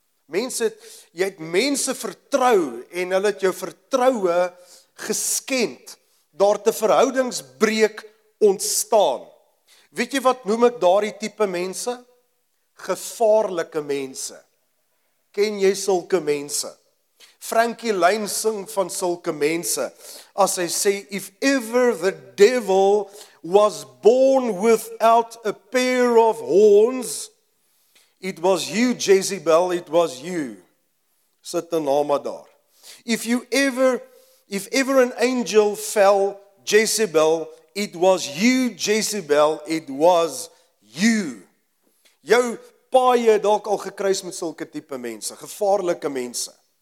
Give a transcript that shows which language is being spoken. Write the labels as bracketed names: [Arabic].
[Afrikaans] Jy het mense vertrou en hulle het jou vertroue geskend. Daar te verhoudingsbreek ontstaan. Weet jy wat noem ek daardie tipe mense? Gevaarlike mense. Ken jy sulke mense? Frankie Lyne sing van sulke mense, as hy sê, [English] "If ever the devil was born without a pair of horns, it was you, Jezebel, it was you." [Afrikaans] Sit die naam daar. [English] If ever an angel fell, Jezebel, it was you, Jezebel, it was you. [Afrikaans] Jou paai het dalk al gekruis met sulke tipe mense, gevaarlike mense.